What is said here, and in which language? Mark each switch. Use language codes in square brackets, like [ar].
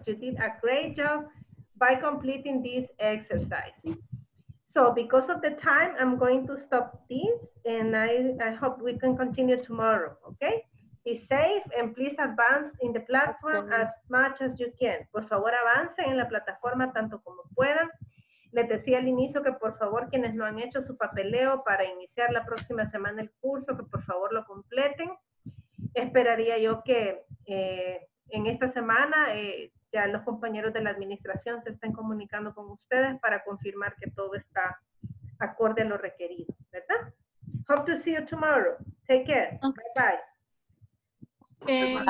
[en] You did a great job by completing this exercise. So because of the time, I'm going to stop this. And I hope we can continue tomorrow. Okay? Be safe and please advance in the platform as much as you can. [es] Por favor, avancen en la plataforma tanto como puedan. Les decía al inicio que por favor quienes no han hecho su papeleo para iniciar la próxima semana el curso, que por favor lo completen. Esperaría yo que en esta semana ya los compañeros de la administración se estén comunicando con ustedes para confirmar que todo está acorde a lo requerido, ¿verdad? [en] Hope to see you tomorrow. Take care. Okay. Bye bye.